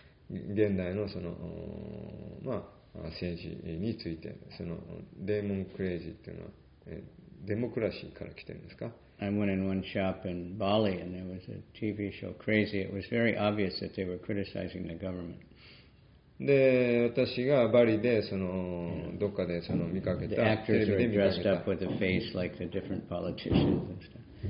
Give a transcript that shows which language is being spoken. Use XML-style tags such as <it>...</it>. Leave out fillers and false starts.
<ja>現代のその、まあ、政治について、そのデーモンクレイジーというのは、デモクラシーから来てるんですか？</ja> <en>I went in one shop in Bali and there was a TV show Crazy. It was very obvious that they were criticizing the government.</en> <ja>で、私がバリでその、yeah. どっかでその見かけた。</ja> <en>The actors were dressed up with a face like the different politicians and stuff.</en>